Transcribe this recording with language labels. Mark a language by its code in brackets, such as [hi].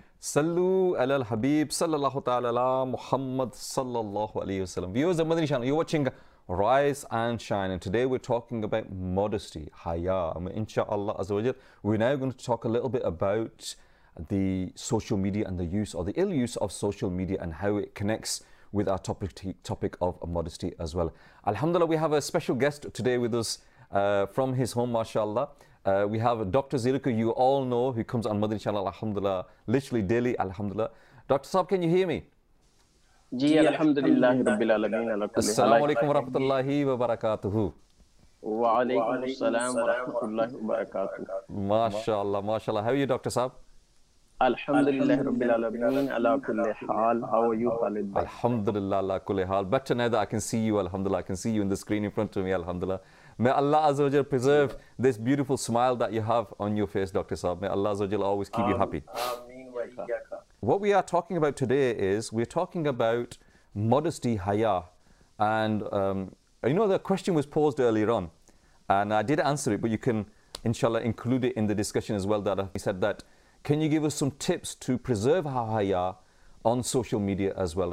[ar] صلو علی الحبیب صلی اللہ تعالی علی محمد صلی اللہ علیہ وسلم [en] Views Madani channel you watching Rise and Shine, and today we're talking about modesty, haya. I mean, inshallah, as we did, we're now going to talk a little bit about the social media and the use or the ill use of social media and how it connects with our topic of modesty as well. Alhamdulillah, we have a special guest today with us from his home, mashallah. We have Dr. Zirika, you all know, who comes on Madani Channel, alhamdulillah, literally daily, alhamdulillah. Dr. Saab, can you hear me? [ar] جی الحمدللہ رب العالمین السلام علیکم ورحمۃ اللہ وبرکاتہ وعلیکم السلام ورحمۃ اللہ وبرکاتہ ماشاءاللہ ماشاءاللہ [en] how are you doctor صاحب [ar] الحمدللہ رب العالمین علی کل حال [en] how are you Khalid [ar] الحمدللہ علی کل حال [en] Better now that I can see you الحمدللہ I can see you in the screen in front of me الحمدللہ May Allah Azza wa Jal preserve this beautiful smile that you have on your face, Dr. Saab. May Allah Azza wa Jal always keep you happy. What we are talking about today is, we're talking about modesty, haya. And you know, the question was posed earlier on, and I did answer it, but you can, inshallah, include it in the discussion as well. That he said that, can you give us some tips to preserve our haya on social media as well?